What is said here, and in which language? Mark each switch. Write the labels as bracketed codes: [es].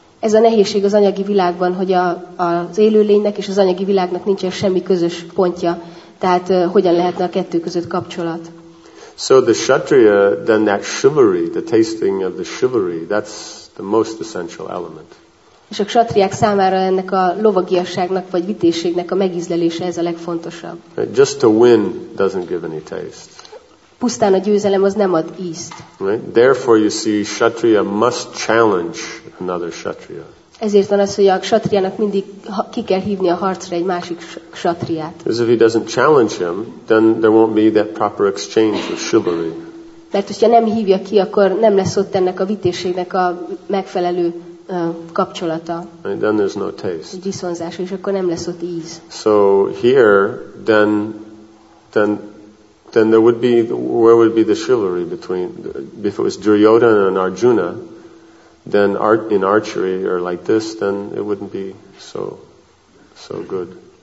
[hu] Ez a nehézség az anyagi világban, hogy az élőlénynek és az anyagi világnak nincsen semmi közös pontja. Tehát hogyan lehetne a kettő között kapcsolat? [en] So the kshatriya, then that chivalry, the tasting of the chivalry, that's the most essential element. [hu] És a kshatriák számára ennek a lovagiasságnak vagy vitézségnek a megízlelése ez a legfontosabb. [en] Just to win doesn't give any taste. [hu] Pusztán a győzelem az nem ad ízt. [en] Right? Therefore you see, kshatriya must challenge another kshatriya. [hu] Ezért van az, hogy a kshatriának mindig ki kell hívni a harcra egy másik kshatriát. [en] Because if he doesn't challenge him, then there won't be that proper exchange of chivalry. [hu] Mert hogyha nem hívja ki, akkor nem lesz ott ennek a vitézségnek a megfelelő kapcsolata. [en] And then there's no taste. [hu] Egy viszonzás, és akkor nem lesz ott íz. [en] So here, then there would be, where would be the chivalry between, if it was Duryodhana and Arjuna, then art in archery or like this, then it wouldn't be so good.